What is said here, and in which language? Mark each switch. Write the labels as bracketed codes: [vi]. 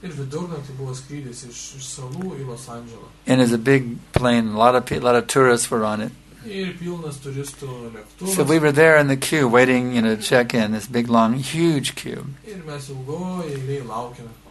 [lt] Ir vidurnaktį buvo skrydis iš salų į Los Angelą. [en] And it's a big plane, a lot of tourists were on it. [lt] Ir pilnas turistų lėktuvas. [en] So we were there in the queue waiting, you know, to check in, this big, long, huge queue. [lt] Ir mes ilgoj eilėj laukėme.